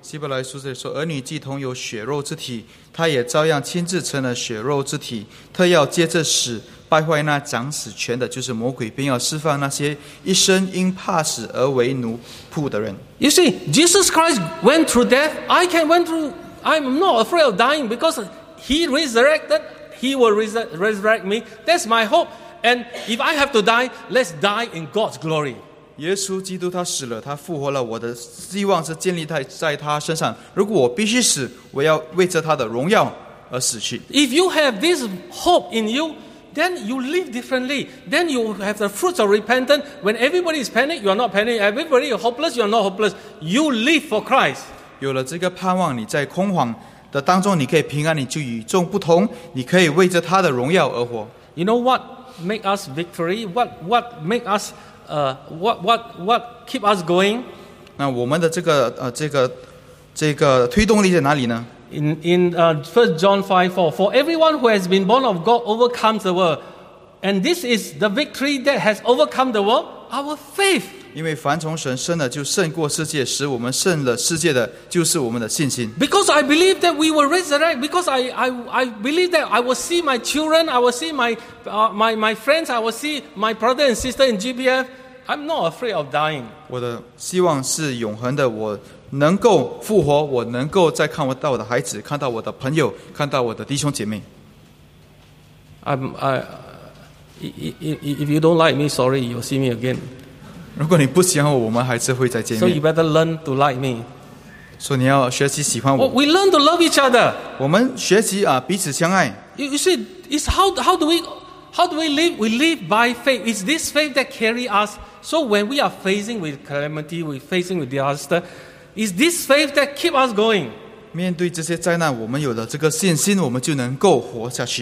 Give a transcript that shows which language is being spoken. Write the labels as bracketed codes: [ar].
[zh] 希伯来书这里说，儿女既同有血肉之体，他也照样亲自成了血肉之体，特要借着死败坏那掌死权的，就是魔鬼，并要释放那些一生因怕死而为奴仆的人。 [en] You see, Jesus Christ went through death. I can went through. I'm not afraid of dying because He resurrected. He will resurrect me. That's my hope. And if I have to die, let's die in God's glory. [zh] 耶稣基督他死了，他复活了。我的希望是建立在他身上。如果我必须死，我要为着他的荣耀而死去。 [en] If you have this hope in you. Then you live differently. Then you have the fruits of repentance. When everybody is panic, you are not panic. Everybody is hopeless, you are not hopeless. You live for Christ. [zh] 有了这个盼望，你在空惶的当中，你可以平安，你就与众不同，你可以为着他的荣耀而活。 [en] You know what make us victory? What make us what keep us going? [zh] 那我们的这个推动力在哪里呢？ [en] First John 5:4, for everyone who has been born of God overcomes the world, and this is the victory that has overcome the world, our faith. [zh] 因为凡从神生的就胜过世界，使我们胜了世界的就是我们的信心。 [en] Because I believe that we were resurrected. Because I believe that I will see my children. I will see my friends. I will see my brother and sister in GPF. I'm not afraid of dying. [zh] 我的希望是永恒的。我能够复活，我能够再看到我的孩子，看到我的朋友，看到我的弟兄姐妹。 [en] If you don't like me, sorry, you'll see me again. [zh] 如果你不喜欢我，我们还是会再见面。 [en] So you better learn to like me. [zh] 所以你要学习喜欢我。 [en] We learn to love each other. [zh] 我们学习啊，彼此相爱。 [en] You see, it's how do we live? We live by faith. It's this faith that carry us. So when we are facing with calamity, we're facing with disaster. Is this faith that keep us going? [zh] 面对这些灾难，我们有了这个信心，我们就能够活下去。